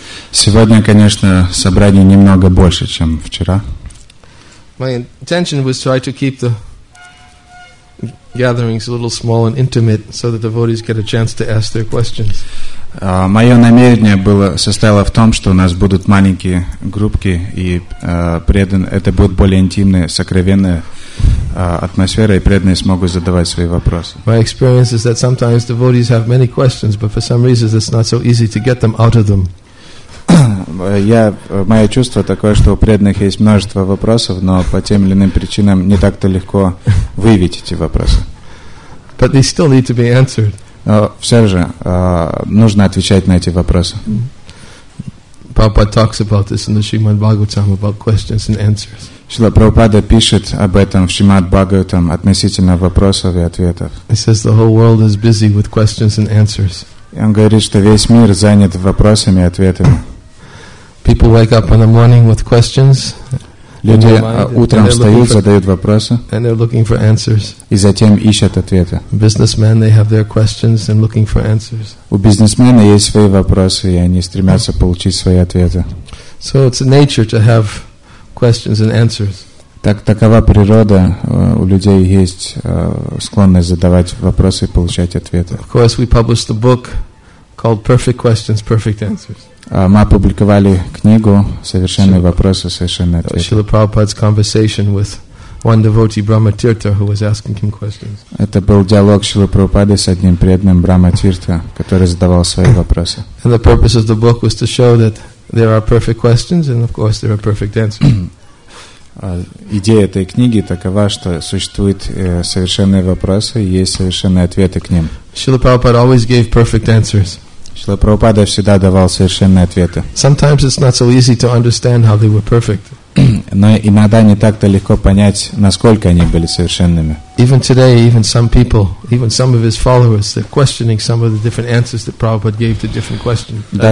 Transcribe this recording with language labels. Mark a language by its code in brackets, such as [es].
[ru] Сегодня, конечно, собрание немного больше, чем вчера. [en] My intention was to try to keep the gatherings a little small and intimate so that the devotees get a chance to ask their questions. [ru] Мое намерение было, состояло в том, что у нас будут маленькие группки, и это будет более интимная, сокровенная атмосфера, и преданные смогут задавать свои вопросы. [en] My experience is that sometimes devotees have many questions, but for some reason it's not so easy to get them out of them. [ru] Мое чувство такое, что у преданных есть множество вопросов, но по тем или иным причинам не так-то легко выявить эти вопросы. [en] But they still need to be answered. [ru] Но все же нужно отвечать на эти вопросы. [en] Prabhupada talks about this in the Srimad Bhagavatam about questions and answers. [ru] Шрила Прабхупада пишет об этом в Шримад Бхагаватам относительно вопросов и ответов. [en] He says the whole world is busy with questions and answers. [ru] И он говорит, что весь мир занят вопросами и ответами. [en] People wake up in the morning with questions. [ru] Люди утром встают, задают вопросы, [en] and they're looking for answers. [ru] И затем ищут ответы. [en] Businessmen, they have their questions and looking for answers. [ru] У бизнесмена есть свои вопросы, и они стремятся получить свои ответы. [en] So it's a nature to have questions and answers. [ru] Так такова природа, у людей есть склонность задавать вопросы и получать ответы. [en] Of course, we published the book called Perfect Questions, Perfect Answers. [ru] Мы опубликовали книгу «Совершенные вопросы, совершенные ответы». [en] Шрила Прабхупада's conversation with one devotee Brahma Tirtha, who was asking him questions. [ru] Это был диалог Шрилы Прабхупады с одним преданным Брахма Тиртха, который задавал свои вопросы. [en] And the purpose of the book was to show that there are perfect questions, and of course there are perfect answers. [ru] Идея этой книги такова, что существуют совершенные вопросы, и есть совершенные ответы к ним. [en] Шрила Прабхупада always gave perfect answers. [ru] Шрила Прабхупада всегда давал совершенные ответы. [en] Sometimes it's not so easy to understand how they were perfect. [ru] Но иногда не так-то легко понять, насколько они были совершенными. [en] Even today, even some people, even some of his followers, they're questioning some of the different answers that Prabhupada gave to different questions.